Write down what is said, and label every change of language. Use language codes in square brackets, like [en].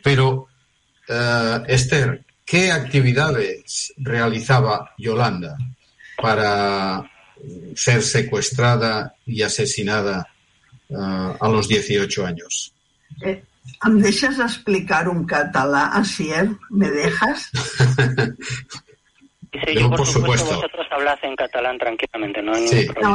[es] Pero, Esther, ¿qué actividades realizaba Yolanda para ser secuestrada y asesinada a los 18 años? [ca] ¿Em deixes explicar un català, Asier? [es] ¿Me dejas? Sí, yo, por supuesto. Vosotros habláis en catalán tranquilamente, no hay ningún problema.